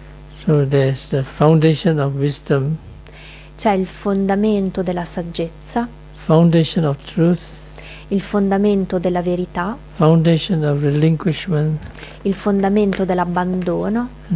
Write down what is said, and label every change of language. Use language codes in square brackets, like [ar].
[en] So there's the foundation of wisdom. [it] C'è il fondamento della saggezza. [en] Foundation of truth. [it] il fondamento della verità, [en] foundation of relinquishment, [it] il fondamento dell'abbandono,